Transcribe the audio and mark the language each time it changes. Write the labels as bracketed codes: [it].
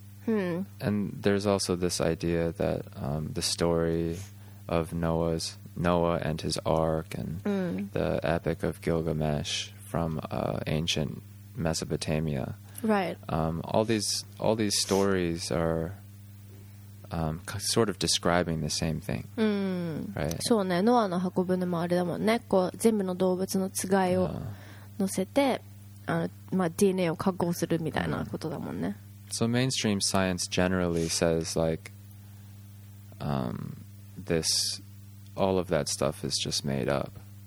[en] And there's also this idea that the story of Noah and his ark and the epic of Gilgamesh from ancient Mesopotamia. Right. All these stories are sort of describing the same thing. Right. [ja] そうね。ノアの箱舟もあれだもんね。こう全部の動物のつがいを乗せて、まあ、DNA を加工するみたいなことだもんね。 [en] So mainstream science generally says, like, this, all of that stuff is just made up.